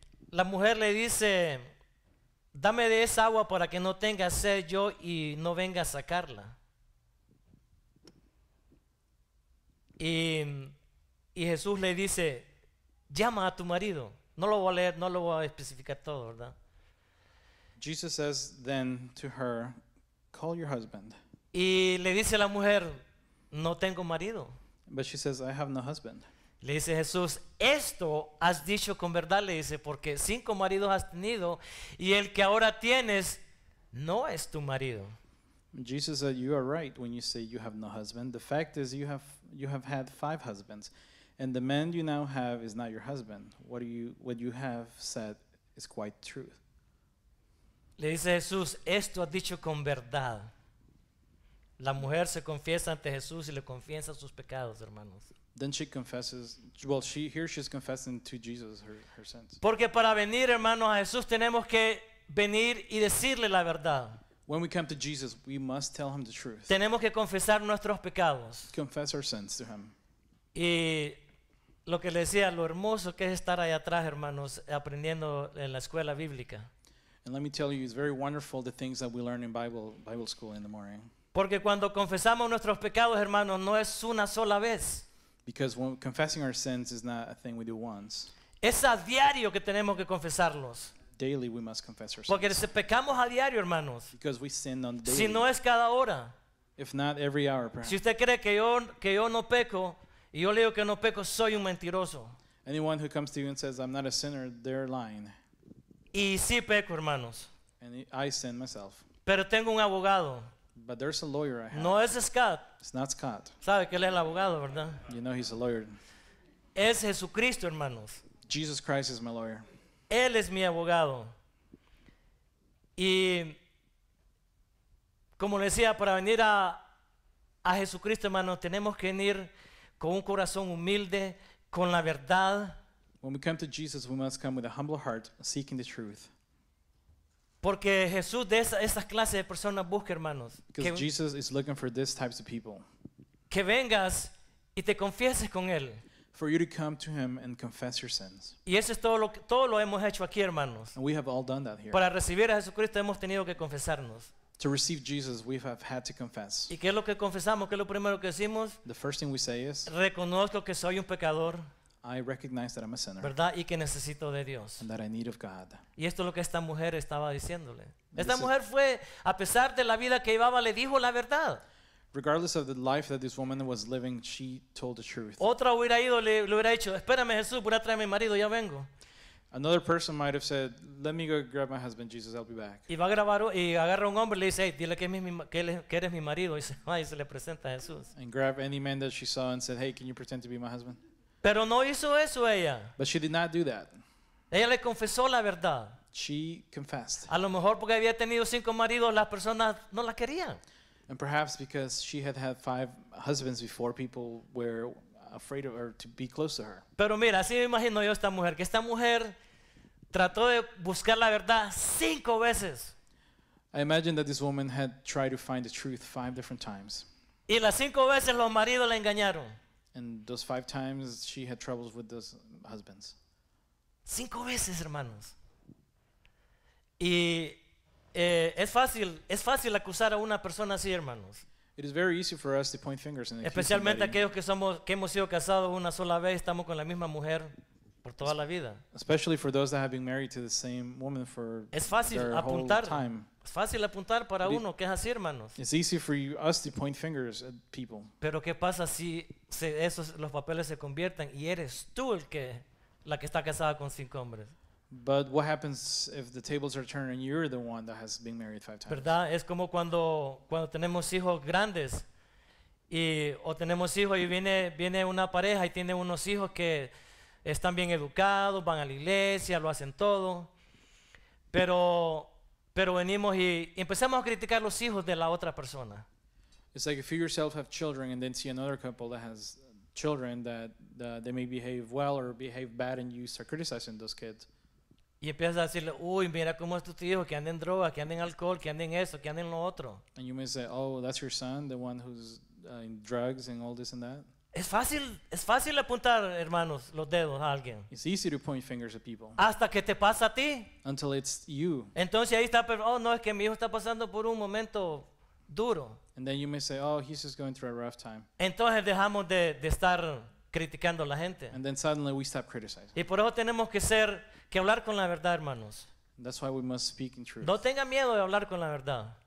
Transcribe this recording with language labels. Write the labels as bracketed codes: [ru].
[es] La mujer le dice, dame de esa agua para que no tenga sed yo y no venga a sacarla. Y Jesús le dice, llama a tu marido. No lo voy a leer, no lo voy a especificar todo, ¿verdad? [en] Jesus says then to her, call your husband. [es] Y le dice la mujer, no tengo marido. [en] But she says, I have no husband. [es] Le dice Jesús, esto has dicho con verdad, le dice, porque cinco maridos has tenido y el que ahora tienes no es tu marido. [en] Jesus said, you are right when you say you have no husband. The fact is you have had five husbands and the man you now have is not your husband. What you have said is quite truth. [es] Le dice Jesús, esto has dicho con verdad. La mujer se confiesa ante Jesús y le confiesa sus pecados, hermanos. [en] Then she confesses, well, she's confessing to Jesus her sins. [es] Porque para venir, hermanos, a Jesús tenemos que venir y decirle la verdad. [en] When we come to Jesus, we must tell him the truth. [es] Tenemos que confesar nuestros pecados. [en] Confess our sins to him. [es] Y lo que le decía, lo hermoso que es estar allá atrás, hermanos, aprendiendo en la escuela bíblica. [en] And let me tell you, it's very wonderful the things that we learn in Bible school in the morning. [es] Porque cuando confesamos nuestros pecados, hermanos, no es una sola vez. [en] Because when confessing our sins is not a thing we do once. [es] Es a diario que tenemos que confesarlos. [en] Daily we must confess our sins. [es] Porque si pecamos a diario, hermanos. [en] Because we sin on daily. [es] Si no es cada hora. [en] If not every hour, perhaps. [es] Si usted cree que yo no peco, y yo le digo que no peco, soy un mentiroso. [en] Anyone who comes to you and says, I'm not a sinner, they're lying. [es] Y sí peco, hermanos. [en] And I sin myself. [es] Pero tengo un abogado. [en] But there's a lawyer I have. [es] No es Scott. [en] It's not Scott. [es] Sabe que él es el abogado, ¿verdad? [en] You know he's a lawyer. [es] Es Jesucristo, hermanos. [en] Jesus Christ is my lawyer. [es] Él es mi abogado. Y como le decía, para venir a Jesucristo, hermanos, tenemos que venir con un corazón humilde, con la verdad. [en] When we come to Jesus, we must come with a humble heart, seeking the truth. [es] Porque Jesús de esas clases de personas busca, hermanos. [en] Because Jesus is looking for these types of people. [es] Que vengas y te confieses con él. [en] For you to come to him and confess your sins. [es] Y eso es todo lo hemos hecho aquí, hermanos. [en] And we have all done that here. [es] Para recibir a Jesucristo hemos tenido que confesarnos. [en] To receive Jesus, we have had to confess. [es] ¿Y qué es lo que confesamos? ¿Qué es lo primero que decimos? [en] The first thing we say is, [es] reconozco que soy un pecador. [en] I recognize that I'm a sinner. [es] ¿Verdad? Y que necesito de Dios. [en] And that I need of God. [es] Y esto es lo que esta mujer estaba diciéndole. Esta mujer fue, a pesar de la vida que llevaba, le dijo la verdad. [en] Regardless of the life that this woman was living, she told the truth. [es] Otra hubiera ido, le hubiera dicho, espérame Jesús, voy a traer a mi marido, ya vengo. [en] Another person might have said, let me go grab my husband, Jesus, I'll be back. [es] Y va a grabar, y agarra un hombre, le dice, hey, dile que eres mi marido, y se va y se le presenta a Jesús. [en] And grab any man that she saw and said, hey, can you pretend to be my husband? [es] Pero no hizo eso ella. [en] But she did not do that. [es] Ella le confesó la verdad. [en] She confessed. [es] A lo mejor porque había tenido cinco maridos, las personas no la querían. [en] And perhaps because she had had five husbands before, people were afraid of her to be close to her. [es] Pero mira, así me imagino yo esta mujer, que esta mujer trató de buscar la verdad cinco veces. [en] I imagine that this woman had tried to find the truth five different times. [es] Y las cinco veces los maridos la engañaron. [en] And those five times she had troubles with those husbands. [es] Cinco veces, hermanos. Y es fácil acusar a una persona así, hermanos. [en] It is very easy for us to point fingers and [es] especialmente aquellos que hemos sido casados una sola vez, estamos con la misma mujer por toda la vida. [en] Especially for those that have been married to the same woman for their whole time. [es] Es fácil apuntar para uno que es así, hermanos. [en] It's easy for us to point fingers at people. [es] Pero qué pasa si esos los papeles se convierten y eres tú el que la que está casada con cinco hombres. [en] But what happens if the tables are turned and you're the one that has been married five times? [es] ¿Verdad? Es como cuando tenemos hijos grandes y o tenemos hijos y viene una pareja y tiene unos hijos que están bien educados, van a la iglesia, lo hacen todo. Pero venimos y empezamos a criticar los hijos de la otra persona. [en] It's like if you yourself have children and then see another couple that has children that they may behave well or behave bad and you start criticizing those kids. [es] Y empiezas a decirle, uy, mira cómo es tu hijo, que anda en droga, que anda en alcohol, que anda en eso, que anda en lo otro. [en] And you may say, oh, that's your son, the one who's in drugs and all this and that. [es] Es fácil apuntar, hermanos, los dedos a alguien. [en] It's easy to point fingers at people. [es] Hasta que te pasa a ti. [en] Until it's you. [es] Entonces ahí está, oh, no, es que mi hijo está pasando por un momento duro. [en] And then you may say, oh, he's just going through a rough time. [es] Entonces dejamos de estar criticando a la gente. [en] And then suddenly we stop criticizing. [es] Y por eso tenemos que hablar con la verdad, hermanos. [en] That's why we must speak in truth. [es] No tenga miedo de hablar con la verdad.